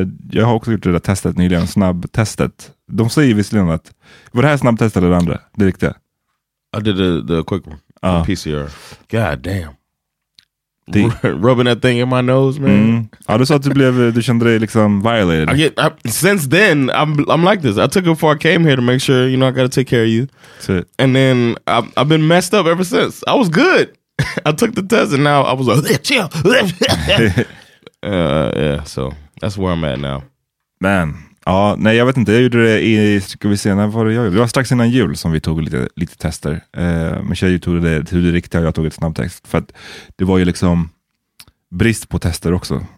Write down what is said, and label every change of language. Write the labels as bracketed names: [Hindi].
[Swedish] Jag har också gjort det där testet nyligen, snabbtestet. De säger visserligen att, var det här snabbtestet eller det andra? Det riktiga. [English] I did the quick one, the PCR. God damn. Rubbing that thing in my nose, man. Mm. [Swedish] Ja, du sa att du kände dig liksom violated. [English] Since then, I'm like this. I took it before I came here to make sure, you know, I gotta take care of you. And then, I've been messed up ever since. I was good. I took the test and now I was like, chill. Yeah, so that's where I'm at now. [Swedish] Man, ja, nej jag vet inte, jag gjorde det i, ska vi se, när var det jag gjorde? Det var strax innan jul som vi tog lite tester. Min tjej tog det till det riktiga, jag tog ett snabbtest. För att det var ju liksom brist på tester också.